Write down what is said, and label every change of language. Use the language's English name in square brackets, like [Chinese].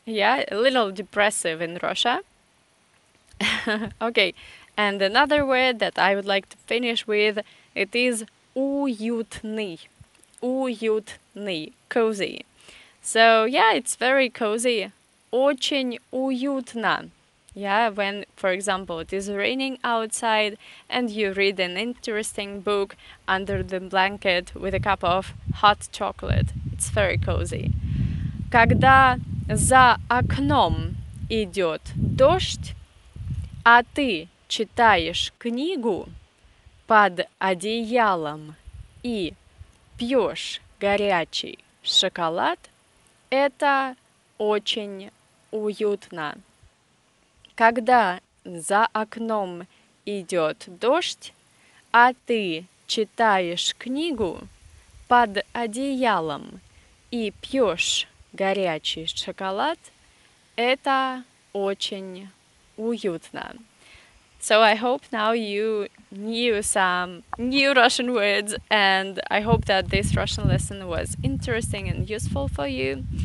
[English] Yeah, a little depressive in Russia. Okay, and another word that I would like to finish with, it is уютный, cozy. So yeah, it's very cozy. [Russian] Очень уютно. [English] Yeah, when, for example, it is raining outside and you read an interesting book under the blanket with a cup of hot chocolate. It's very cozy. [Russian] Когда за окном идет дождь, а ты читаешь книгу под одеялом и пьешь горячий шоколад, это очень уютно. Когда за окном идет дождь, а ты читаешь книгу под одеялом и пьешь горячий шоколад, это очень уютно. [English] So I hope now you knew some new Russian words, and I hope that this Russian lesson was interesting and useful for you.